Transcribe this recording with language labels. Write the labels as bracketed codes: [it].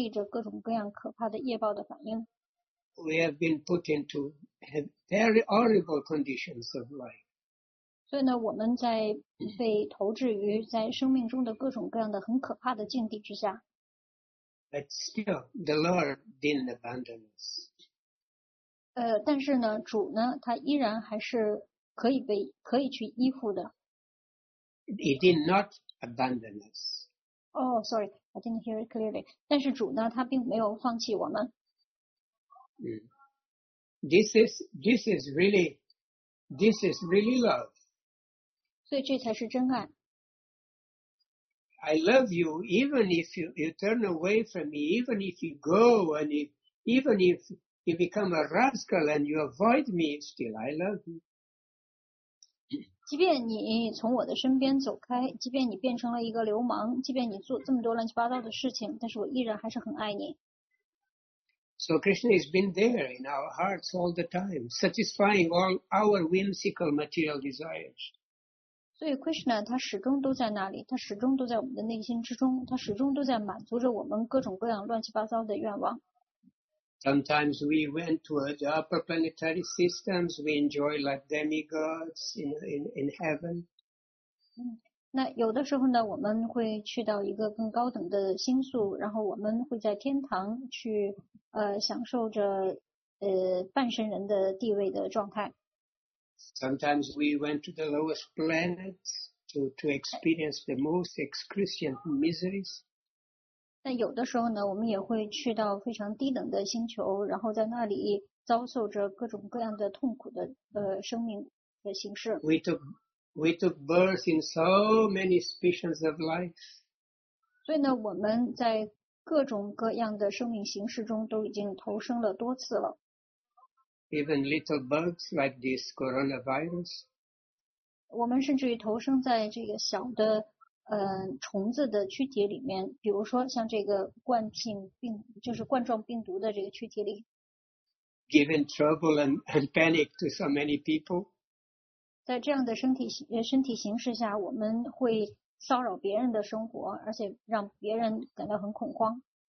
[zh] 就是因为我们没有依托于主对我们的指导，所以说呢，我们在经历着各种各样可怕的业报的反应。 [en] We have been put into very horrible conditions of life. [zh] 所以呢，我们在被投掷于在生命中的各种各样的很可怕的境地之下。 [en] But still, the Lord didn't abandon us. [zh] 但是呢，主呢，他依然还是可以去依附的。 [en] He did not abandon us. Oh, sorry, I didn't hear it clearly. [zh] 但是主呢，他并没有放弃我们。 [en] This is really This is really love. [zh] 所以这才是真爱。 [en] I love you even if you turn away from me, even if you go, and even if you become a rascal and you avoid me, still I love you. [zh] 即便你从我的身边走开，即便你变成了一个流氓，即便你做这么多乱七八糟的事情，但是我依然还是很爱你。 [en] So Krishna has been there in our hearts all the time, satisfying all our whimsical material desires. [zh] 所以 Krishna 他始终都在那里，他始终都在我们的内心之中，他始终都在满足着我们各种各样乱七八糟的愿望。 [en] Sometimes we went toward the upper planetary systems, we enjoy like demigods in heaven. [zh] 那有的时候呢，我们会去到一个更高等的星宿，然后我们会在天堂去享受着半神人的地位的状态。 [en] Sometimes we went to the lowest planets to experience the most excruciating miseries. [zh] 但有的时候呢，我们也会去到非常低等的星球，然后在那里遭受着各种各样的痛苦的生命的形式。 [en] We took birth in so many species of life. [zh] 所以呢，我们在各种各样的生命形式中都已经投生了多次了。 [en] Even little bugs like this coronavirus. [zh] 我们甚至于投生在这个小的虫子的躯体里面，比如说像这个冠状病毒的这个躯体里。 [en] Given trouble and panic to so many people. [zh] 在这样的身体形式下，我们会骚扰别人的生活，而且让别人感到很恐慌。